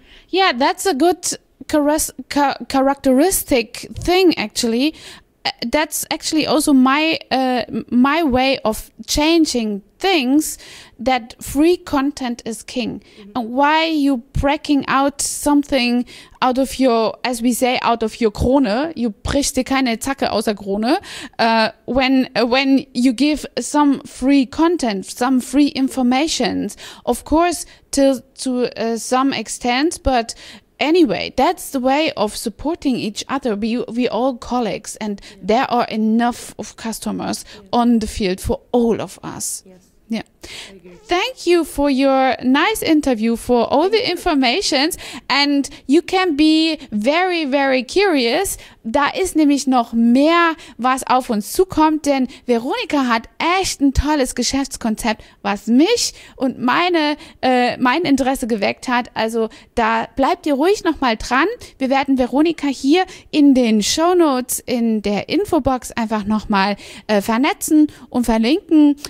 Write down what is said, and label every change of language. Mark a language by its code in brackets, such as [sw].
[en] Yeah, that's a good characteristic thing, actually. That's actually also my way of changing things, that free content is king. Mm-hmm. And why are you breaking out something out of your, as we say, out of your Krone? [de] You brich dir keine Zacke aus der Krone. [en] When you give some free content, some free information, of course, to some extent, but anyway, that's the way of supporting each other. We all colleagues, and there are enough of customers on the field for all of us. Yes. Yeah. Thank you for your nice interview, for all the informations. And you can be very, very curious. [de] Da ist nämlich noch mehr, was auf uns zukommt, denn Veronika hat echt ein tolles Geschäftskonzept, was mich und mein Interesse geweckt hat. Also da bleibt ihr ruhig nochmal dran. Wir werden Veronika hier in den Shownotes, in der Infobox einfach nochmal vernetzen und verlinken.